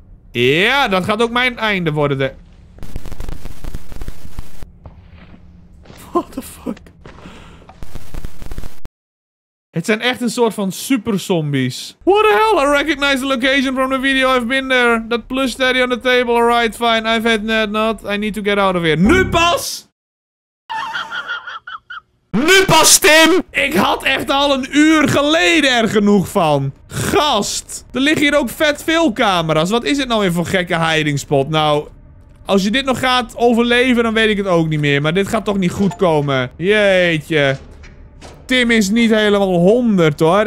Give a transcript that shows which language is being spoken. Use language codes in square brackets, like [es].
[nl] Ja, dat gaat ook mijn einde worden. [en] What the fuck? [nl] Het zijn echt een soort van super zombies. [en] What the hell? I recognize the location from the video. I've been there. That plush daddy on the table. Alright, fine. I've had that not. I need to get out of here. [nl] Nu pas! Nu pas, Tim! Ik had echt al een uur geleden er genoeg van. Gast, er liggen hier ook vet veel camera's. Wat is het nou weer voor gekke hiding spot? Nou, als je dit nog gaat overleven, dan weet ik het ook niet meer. Maar dit gaat toch niet goed komen. Jeetje. Tim is niet helemaal 100 hoor.